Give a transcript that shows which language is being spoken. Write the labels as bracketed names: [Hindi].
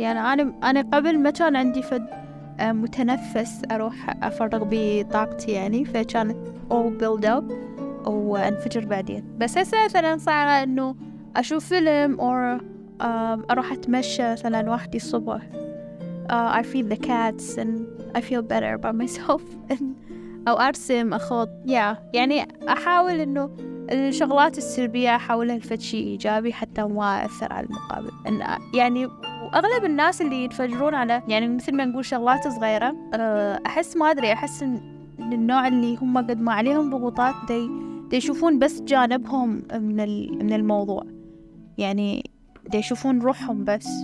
[Arabic] يعني أنا قبل ما كان عندي فد متنفس أروح أفرغ بي طاقتي يعني، فكانت [English] all build up [Arabic] وانفجر بعدين. بس هسه مثلاً صار إنه أشوف فيلم or أروح أتمشى مثلاً وحدي الصبح. [English] I feed the cats and I feel better about myself. [Arabic] أو أرسم أخوض. Yeah. يعني أحاول إنه الشغلات السلبية أحاولها لفد شيء إيجابي حتى ما أثر على المقابل. إن يعني أغلب الناس اللي ينفجرون على يعني مثل ما نقول شغلات صغيرة، أحس ما أدري، أحس إن النوع اللي هم قد ما عليهم ضغوطات دي يشوفون بس جانبهم من الموضوع، يعني دي يشوفون روحهم بس.